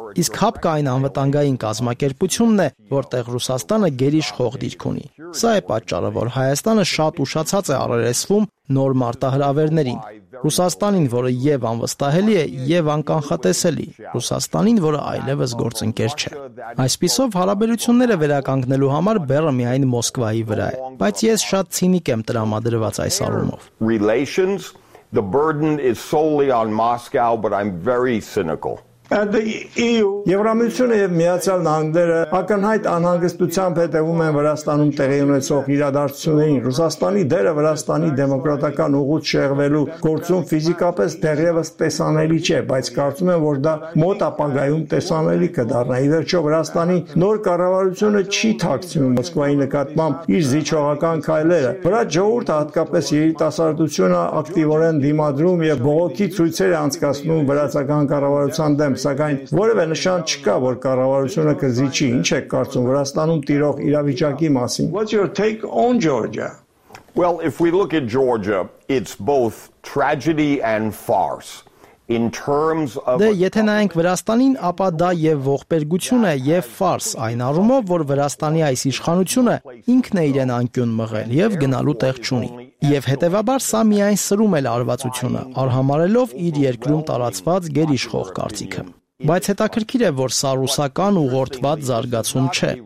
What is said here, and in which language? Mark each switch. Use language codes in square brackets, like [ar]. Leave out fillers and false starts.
[hy] իսկ Հաբկային անվտանգային կազմակերպությունն է, որտեղ Ռուսաստանը գերիշխող դիրք ունի։ Սա է պատճառը, որ Հայաստանը շատ ուշացած է առերեսվում նոր մարտահրավերներին։ Ռուսաստանին, որը եւ անվստահելի է, եւ անկանխատեսելի, Ռուսաստանին, որը այլևս գործընկեր չէ։ Այսպիսով հարաբերությունները վերականգնելու համար բեռը միայն Մոսկվայի վրա է, բայց ես շատ ցինիկ եմ տրամադրված այս առումով։ [en] The burden is solely on Moscow, but I'm very cynical. And the EU, [hy] Եվրամիությունը եւ Միացյալ Նահանգները ակնհայտ անհանգստությամբ հետևում են Վրաստանում տեղի ունեցող իրադարձություններին։ Ռուսաստանի դերը Վրաստանի դեմոկրատական ուղուց շեղվելու գործում ֆիզիկապես դեռևս տեսանելի չէ, բայց կարծում եմ, որ դա մոտ ապագայում տեսանելի կդառնա։ Ի վերջո Վրաստանի նոր կառավարությունը չի թաքցնում Մոսկվայի նկատմամբ իր զիջողական քայլերը։ Վրա ժողովուրդը, հատկապես երիտասարդությունը, ակտիվորեն դիմադրում եւ բողոքի ցույցեր անցկացնում վրացական կառավարության դեմ, սակայն որևէ նշան չկա, որ կառավարությունը կզիջի։ Ինչ եք կարծում Վրաստանում տիրող իրավիճակի մասին? [en] What's your take on Georgia? Well, if we look at Georgia, it's both tragedy and farce. In terms of [hy] Դե եթե նայենք Վրաստանին, ապա դա եւ ողբերգություն է եւ ֆարս, այն առումով, որ Վրաստանի այս իշխանությունը ինքն է իրեն անկյուն մղել եւ գնալու տեղ չունի։ Եվ հետեւաբար սա միայն սրում է լարվածությունը, արհամարելով իր երկրում տարածված գերիշխող կարծիքը։ Բայց հետաքրքիր է, որ սա ռուսական ուղղորդված զարգացում չէ։